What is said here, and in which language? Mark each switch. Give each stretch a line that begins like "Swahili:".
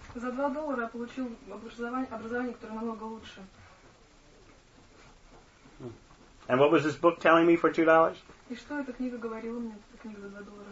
Russian: За $2 я получил образование, которое намного лучше.
English: And what was this book telling me for $2?
Russian: И что эта книга говорила мне, эта книга за $2?